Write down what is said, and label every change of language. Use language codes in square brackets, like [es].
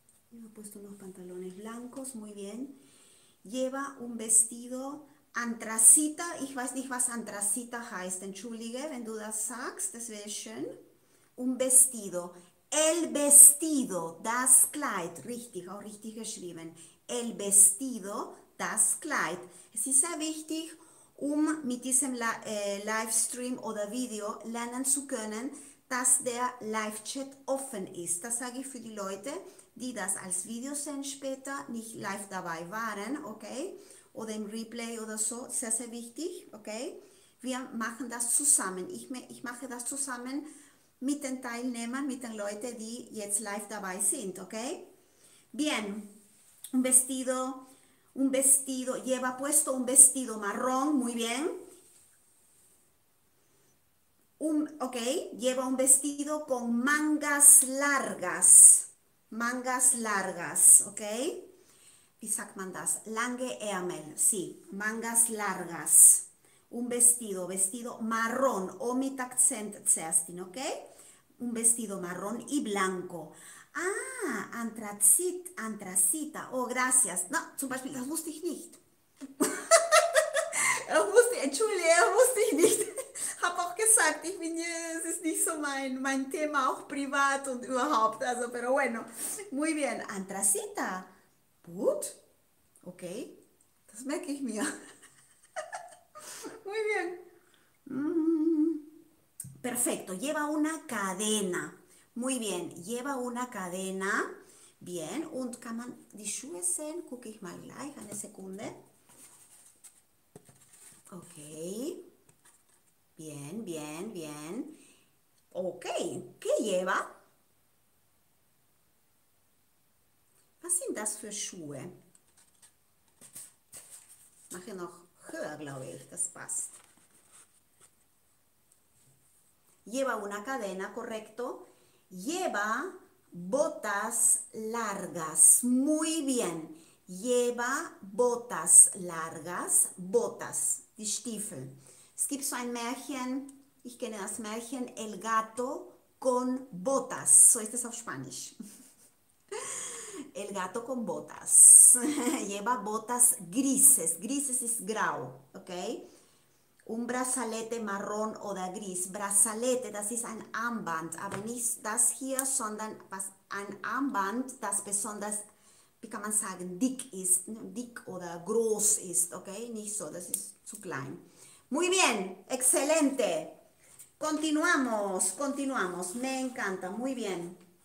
[es] Yo he puesto unos pantalones blancos, muy bien. Lleva un vestido antracita. [de] Ich weiß nicht, was antracita heißt. Entschuldige, wenn du das sagst, das wäre schön. [es] Un vestido. El vestido, [de] das Kleid, richtig, auch richtig geschrieben. [es] El vestido, [de] das Kleid. Es ist sehr wichtig, um mit diesem Livestream oder Video lernen zu können, dass der Live-Chat offen ist. Das sage ich für die Leute, die das als Video sehen später, nicht live dabei waren, okay? Oder im Replay oder so. Sehr, sehr wichtig, okay? Wir machen das zusammen. Ich mache das zusammen mit den Teilnehmern, mit den Leuten, die jetzt live dabei sind, okay? [es] Bien, un vestido, lleva puesto un vestido marrón, muy bien. Ok, lleva un vestido con mangas largas, ok? [de] Wie sagt man das? Lange Ärmel, [es] sí, mangas largas. Un vestido, marrón, o [de] mit Akzent zuerst, [es] ok? Un vestido marrón y blanco. Ah, antracita, Oh, gracias. [de] No, zum Beispiel, das wusste ich nicht. Entschuldige, das wusste ich nicht. Hab auch gesagt, ich bin, es ist nicht so mein Thema, auch privat und überhaupt. Also, [es] pero bueno. Muy bien. [de] Antracita. Gut. Okay. Das merke ich mir. [es] Perfecto, lleva una cadena. Muy bien, lleva una cadena. [de] Bien, und kann man die Schuhe sehen? Gucke ich mal gleich, eine Sekunde. [es] Okay. Bien, bien, bien. Okay, ¿qué lleva? [de] Was sind das für Schuhe? Mache noch höher, glaube ich, das passt. [es] Lleva una cadena, correcto. Lleva botas largas. Muy bien. Lleva botas largas. Botas, [de] die Stiefel. Es gibt so ein Märchen. Ich kenne das Märchen El Gato con Botas. So ist es auf Spanisch. El Gato con Botas. [es] Lleva botas grises. Grises [de] ist grau, [es] okay? Un brazalete marrón oder gris. [de] Brazalete, das ist ein Armband, aber nicht das hier, sondern was ein Armband, das besonders, wie kann man sagen, dick ist, dick oder groß ist, okay? Nicht so, das ist zu klein. [es] Muy bien, excelente. Continuamos, Me encanta, muy bien.